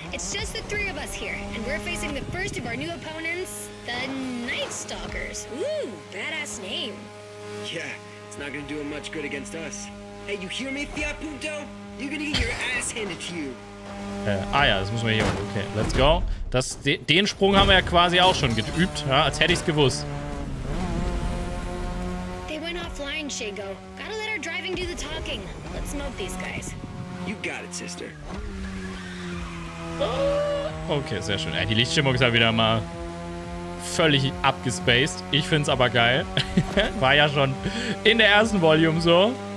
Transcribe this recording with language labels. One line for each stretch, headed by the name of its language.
English: It's just the three of us here, and we're facing the first of our new opponents, the Night Stalkers. Ooh, badass name. Yeah, it's not gonna do them much good against us. Hey, you hear me, Fiat Punto? You're gonna get your ass handed to you.
German: Ja, das müssen wir hier.
English: Okay, let's go.
German: Den Sprung haben wir ja quasi auch schon geübt, ja, als hätte ich es gewusst.
English: They went offline, Shago. Gotta let our driving do the talking. Let's smoke these guys. You got it, sister.
German: Okay, sehr schön. Ja, die Lichtstimmung ist ja wieder mal völlig abgespaced. Ich find's aber geil. War ja schon in der ersten Volume so.